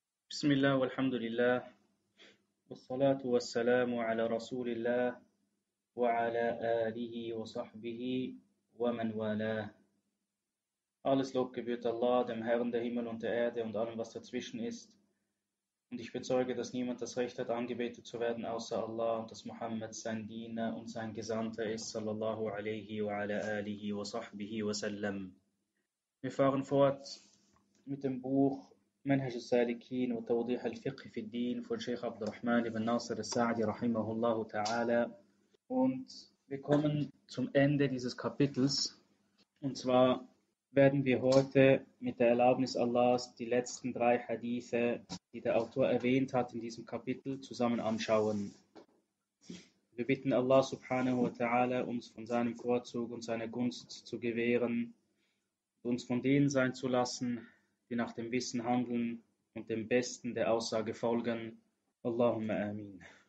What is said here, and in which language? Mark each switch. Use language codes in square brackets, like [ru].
[ar] بسم الله والحمد لله والصلاة والسلام على رسول الله وعلى آله وصحبه ومن والاه. [de] Alles Lob gebührt Allah, dem Herrn der Himmel und der Erde und allem, was dazwischen ist. Und ich bezeuge, dass niemand das Recht hat, angebetet zu werden, außer Allah und dass Muhammad sein Diener und sein Gesandter ist, [ar] sallallahu alaihi wa ala alihi wa sahbihi wa sallam. [de] Wir fahren fort mit dem Buch منهج السالكين وتوضيح الفقه في الدين von Sheikh عبد الرحمن بن ناصر السعدي رحمه الله تعالى. Und wir kommen zum Ende dieses Kapitels. Und zwar werden wir heute mit der Erlaubnis Allahs die letzten drei Hadithe, die der Autor erwähnt hat in diesem Kapitel, zusammen anschauen. Wir bitten Allah subhanahu wa ta'ala, uns von seinem Vorzug und seiner Gunst zu gewähren, uns von denen sein zu lassen, die nach dem Wissen handeln und dem Besten der Aussage folgen. Allahumma amin.